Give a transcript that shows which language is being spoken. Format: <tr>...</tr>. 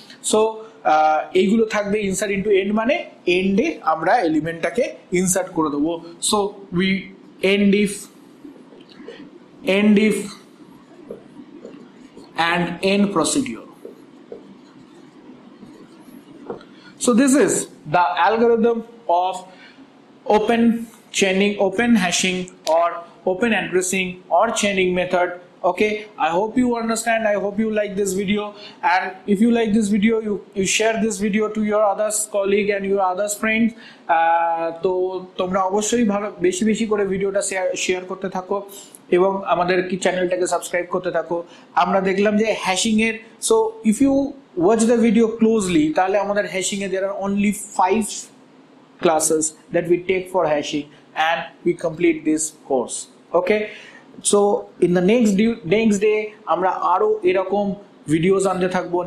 <bn>So এইগুলো থাকবে,</bn> <en>insert into end</en> <bn>মানে এন্ডে আমরা এলিমেন্টটাকে ইনসার্ট করে দেবো।</bn> <en>So we end if, end if and end procedure. So this is the algorithm of open chaining, open hashing or open addressing or chaining method. Okay, I hope you understand, I hope you like this video, and if you like this video, you share this video to your other colleague and your other friends.</en> <bn>To tumra obosshoi bhalo beshi beshi kore video ta share korte thako এবং আমাদের কি চ্যানেলটাকে subscribe করতে থাকো। আমরা দেখলাম যে hashing এর,</bn> <en>so if you watch the video closely,</en> <bn>তাহলে আমাদের hashing A</bn> <en>There are only 5 classes that we take for hashing and we complete this course. Okay, so in the next day</en> <bn>আমরা আরো এরকম ভিডিওস আনতে থাকবো।</bn>